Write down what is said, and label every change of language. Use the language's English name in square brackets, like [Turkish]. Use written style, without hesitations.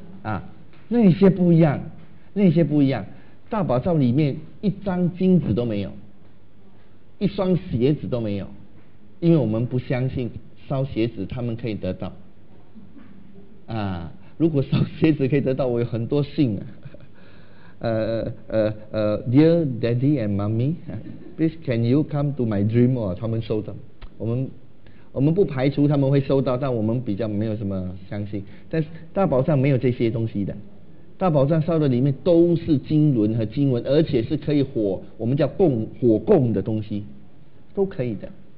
[Chinese] 啊，那些不一样，那些不一样。大宝藏里面一张金子都没有，一双鞋子都没有，因为我们不相信烧鞋子他们可以得到啊。如果烧鞋子可以得到，我有很多信啊。 [English] Dear Daddy and Mommy, please can you come to my dream? [Chinese] 他们收到，我们不排除他们会收到，但我们比较没有什么相信。但是大宝藏没有这些东西的，大宝藏烧的里面都是经轮和经文，而且是可以火，我们叫供火供的东西，都可以的。